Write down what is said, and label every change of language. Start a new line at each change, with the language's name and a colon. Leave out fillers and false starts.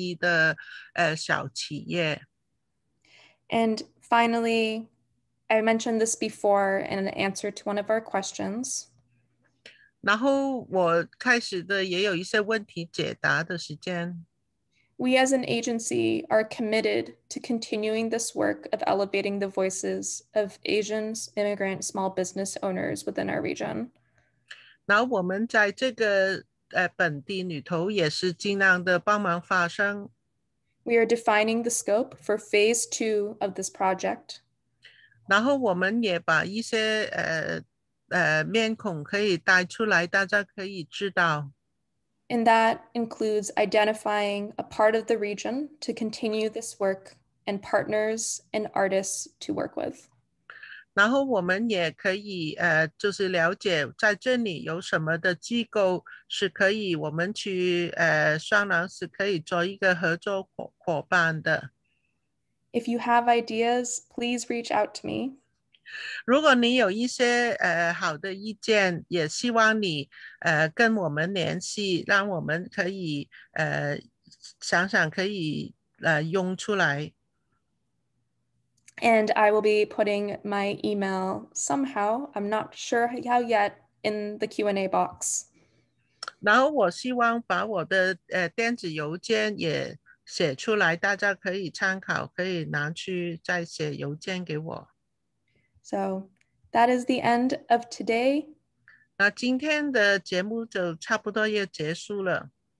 Chinese: 然后在这个社区里头，这个政府官员还是其他的非牟利机构，都可以大家讲一下怎么样支持这些亚裔的小企业.
English: And finally, I mentioned this before in an answer to one of our questions.
Chinese: 然后我开始的也有一些问题解答的时间.
English: We as an agency are committed to continuing this work of elevating the voices of Asian immigrant small business owners within our region.
Chinese: 那我们在这个本地里头也是尽量的帮忙发声.
English: We are defining the scope for phase two of this project.
Chinese: 然后我们也把一些面孔可以带出来，大家可以知道.
English: And that includes identifying a part of the region to continue this work and partners and artists to work with.
Chinese: 然后我们也可以就是了解在这里有什么的机构是可以我们去商量是可以做一个合作伙伴的。
English: If you have ideas, please reach out to me.
Chinese: 如果你有一些好的意见，也希望你跟我们联系，让我们可以想想可以用出来。
English: And I will be putting my email somehow, I'm not sure how yet, in the Q&A box.
Chinese: 然后我希望把我的电子邮件也写出来，大家可以参考，可以拿去再写邮件给我。 So that is the end of today. 那今天的节目就差不多要结束了。